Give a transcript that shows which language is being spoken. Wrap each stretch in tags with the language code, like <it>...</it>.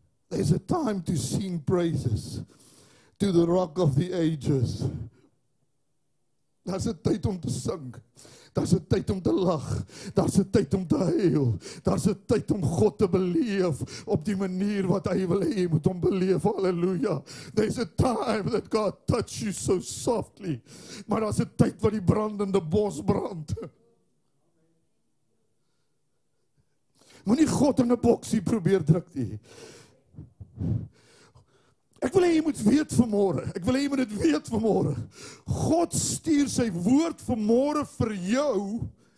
<en>There's a time to sing praises. to the rock of the ages.</en> <af>Daar's 'n tyd om te sing. Daar's 'n tyd om te lag. Daar's 'n tyd om te huil. Daar's 'n tyd om God te beleef op die manier wat hy wil hê jy moet hom beleef. Halleluja.</af> <en>There's a time that God touch you so softly.</en> <af>Maar daar's 'n tyd wat die brandende bos brand. Moenie God in 'n boksie probeer druk nie. Ek wil hê jy moet weet vanmôre. Ek wil hê jy moet dit weet vanmôre. God stuur sy woord vanmôre vir jou.</af>